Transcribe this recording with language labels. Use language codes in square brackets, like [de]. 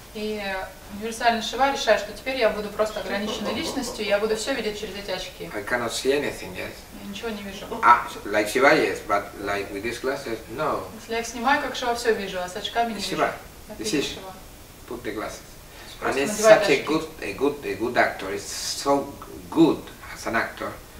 [ru] И универсальный Шива решает, что теперь я буду просто ограниченной личностью, я буду все видеть через эти очки. [en] I cannot see anything, yes. [ru] Я ничего не вижу. [en] Like Shiva, yes, but like with these glasses, no. [ru] Если я их снимаю, как Шива, все вижу, а с очками не [en] Shiva. [ru] Вижу. Это Шива. [en] Put the glasses. And it's such a good actor, it's so good as an actor,